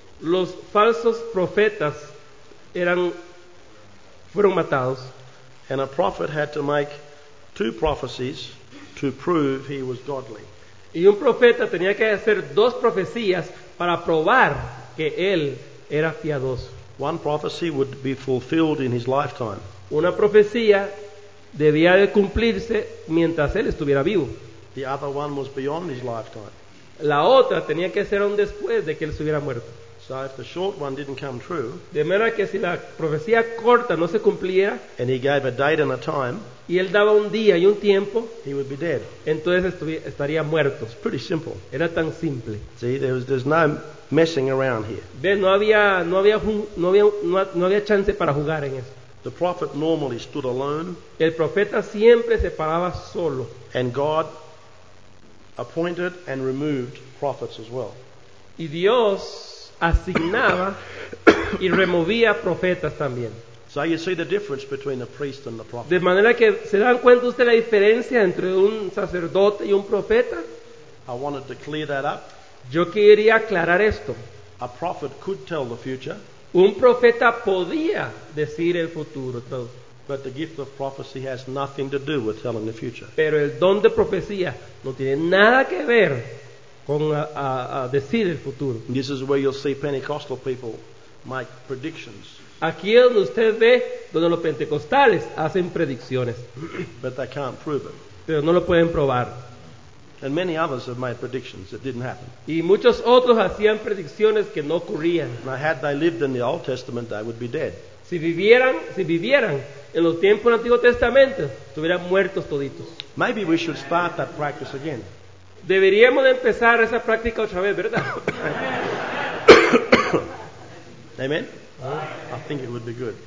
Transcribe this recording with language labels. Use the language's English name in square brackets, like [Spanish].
[Spanish] Los falsos profetas fueron matados. [English] And a prophet had to make two prophecies to prove he was godly. [Spanish] Y un profeta tenía que hacer dos profecías para probar que él era piadoso. [English] One prophecy would be fulfilled in his lifetime. [Spanish] Una profecía debía de cumplirse mientras él estuviera vivo. [English] The other one was beyond his lifetime. [Spanish] La otra tenía que ser aún después de que él se hubiera muerto. [English] So if the short one didn't come true, [Spanish] de manera que si la profecía corta no se cumpliera, [English] and he gave a date and a time, [Spanish] y él daba un día y un tiempo, [English] he would be dead. [Spanish] Entonces estaría muerto. [English] It's pretty simple. [Spanish] Era tan simple. [English] See, there's no messing around here. [Spanish] Ve, no había chance para jugar en eso. [English] The prophet normally stood alone. [Spanish] El profeta siempre se paraba solo. [English] And God appointed and removed prophets as well. [Spanish] Y Dios asignaba y removía profetas también. [English] So you see the difference between the priest and the prophet. [Spanish] De manera que se dan cuenta usted la diferencia entre un sacerdote y un profeta. [English] I wanted to clear that up. [Spanish] Yo quería aclarar esto. [English] A prophet could tell the future. [Spanish] Un profeta podía decir el futuro. [English] But the gift of prophecy has nothing to do with telling the future. [Spanish] Pero el don de profecía no tiene nada que ver con a decir el futuro. [English] This is where you'll see Pentecostal people make predictions. [Spanish] Aquí es donde usted ve donde los pentecostales hacen predicciones. [English] But they can't prove it. [Spanish] Pero no lo pueden probar. [English] And many others have made predictions that didn't happen. [Spanish] Y muchos otros hacían predicciones que no ocurrían. [English] Now, had they lived in the Old Testament, they would be dead. [Spanish] Si vivieran en los tiempos del Antiguo Testamento, estuvieran muertos toditos. [English] Maybe we should start that practice again. [Spanish] Deberíamos de empezar esa práctica otra vez, ¿verdad? [English] Amen. I think it would be good.